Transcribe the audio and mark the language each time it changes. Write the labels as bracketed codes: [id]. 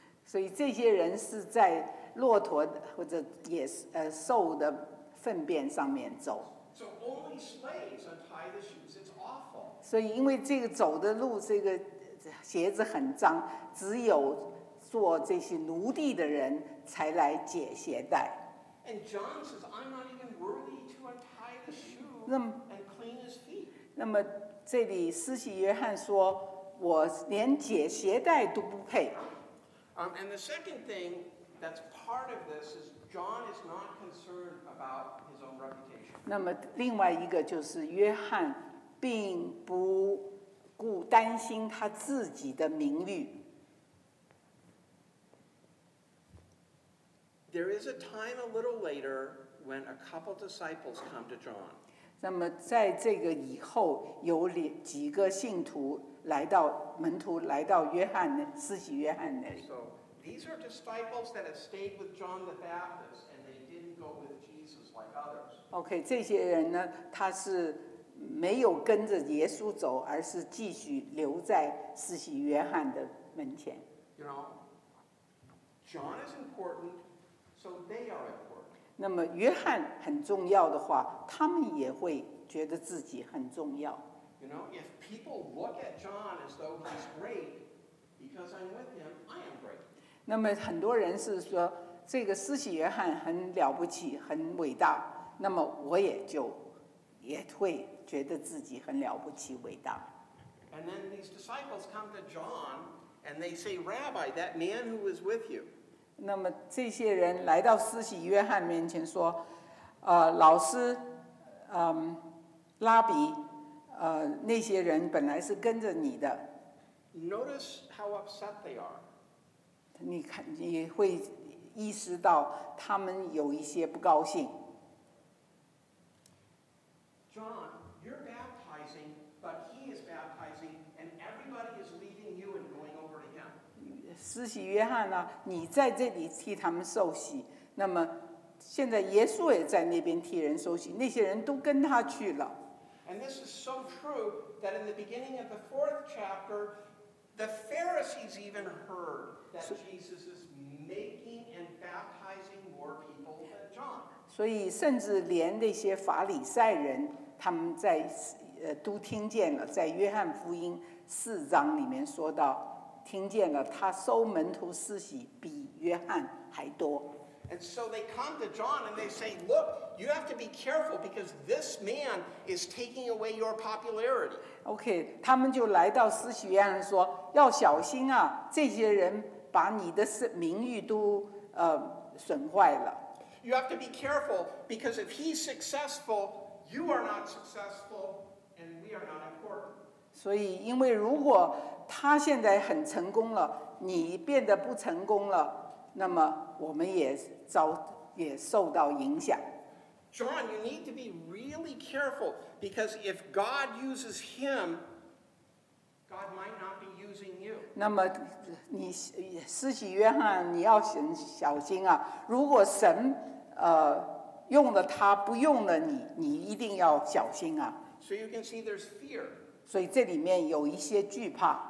[zh] 所以这些人是在骆驼或者也是兽的粪便上面走。 [en] So only slaves untie the shoes. It's awful. [zh] 所以因为这个走的路，这个鞋子很脏，只有做这些奴隶的人才来解鞋带。 [en] And John says, I'm not even worthy to untie the shoe and clean his feet. [zh] 那么这里施洗约翰说，我连解鞋带都不配。 [en] And the second thing that's part of this is John is not concerned about his own reputation. [zh] 那么另外一个就是约翰并不顾担心他自己的名誉。 [en] There is a time a little later when a couple disciples come to John. [zh] 那么在这个以后有几个信徒来到门徒来到约翰施洗约翰那里。 [en] So these are disciples that have stayed with John the Baptist and they didn't go with Jesus like others. [zh] OK, 这些人呢他是没有跟着耶稣走而是继续留在施洗约翰的门前。 [en] You know, John is important, so they are important. [zh] 那么约翰很重要的话他们也会觉得自己很重要。 [en] You know, if people look at John as though he's great, because I'm with him, I am great. [zh] 那么很多人是说这个施洗约翰很了不起很伟大。那么我也就也会觉得自己很了不起伟大。 [en] And then these disciples come to John And they say, Rabbi, that man who was with you. [zh] 那么这些人来到施洗约翰面前说，老师，拉比，那些人本来是跟着你的。 [en] Notice how upset they are. [zh] 你看，你会意识到他们有一些不高兴。 [en] John, you're baptizing, but he is baptizing, and everybody is leaving you and going over to him. [zh] 施洗约翰啊，你在这里替他们受洗，那么现在耶稣也在那边替人受洗，那些人都跟他去了。 [en] And this is so true that in the beginning of the fourth chapter, the Pharisees even heard that Jesus is making and baptizing more people than John. [zh] 所以甚至连那些法利赛人他们在都听见了，在约翰福音四章里面说到，听见了他收门徒施洗比约翰还多。 [en] And so they come to John and they say, "Look, you have to be careful because this man is taking away your popularity." [zh] Okay, 他们就来到施洗约翰说，要小心啊，这些人把你的名誉都损坏了。 [en] You have to be careful because if he's successful. You are not successful, and we are not important. [zh] 所以，因为如果他现在很成功了，你变得不成功了，那么我们也受到影响。 [en] John, you need to be really careful because if God uses him, God might not be using you. [zh] 那么你施洗约翰，你要小心啊！如果神用了他不用了你，你一定要小心啊。 [en] So you can see there's fear. [zh] 所以这里面有一些惧怕。